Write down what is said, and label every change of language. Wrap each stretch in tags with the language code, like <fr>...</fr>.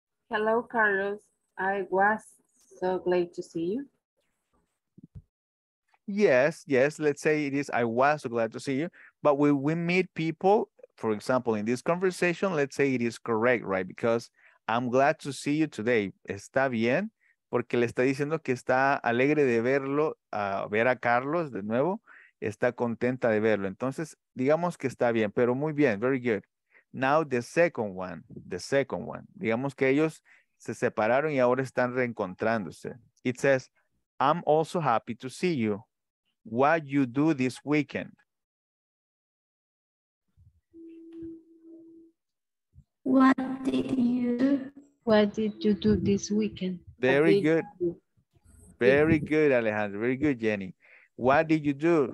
<en>Hello, Carlos. I was so glad to see you. Yes. Let's say it is, I was so glad to see you. But when we meet people, for example, in this conversation, let's say it is correct, right? Because I'm glad to see you today.</en> <es>Está bien. Porque le está diciendo que está alegre de verlo, ver a Carlos de nuevo, está contenta de verlo. Entonces, digamos que está bien, pero muy bien,</es> <en>very good.</en> <es>Now the second one. Digamos que ellos se separaron y ahora están reencontrándose.</es> <en>It says, I'm also happy to see you. What you do this weekend? What do you do this weekend? Very good, Alejandro. Very good, Jenny. What did you do?</en>